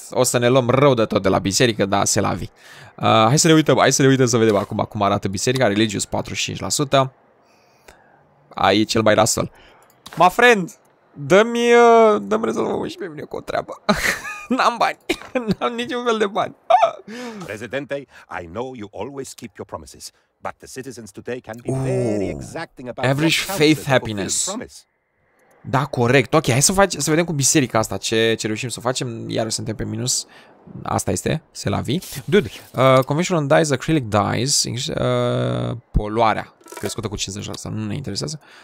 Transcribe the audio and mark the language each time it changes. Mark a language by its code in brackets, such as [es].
[ro] O să ne luăm rău de tot de la biserică, dar se la vi. Hai să ne uităm, hai să ne uităm să vedem acum cum arată biserica. Religious 45%. Aici e cel mai rasol. My friend, dă-mi rezolvă și pe mine cu o treabă. N-am bani, n-am niciun fel de bani. [en] Presidente, I know you always keep your promises, but the citizens today can be very exacting about average faith happiness. Da, corect. [ro] Ok, hai să vedem cu biserica asta ce reușim să facem. Iar suntem pe minus. Asta este, se la vi. Dude, conventional dyes, acrylic dyes, poluarea crescută cu 56, nu ne interesează.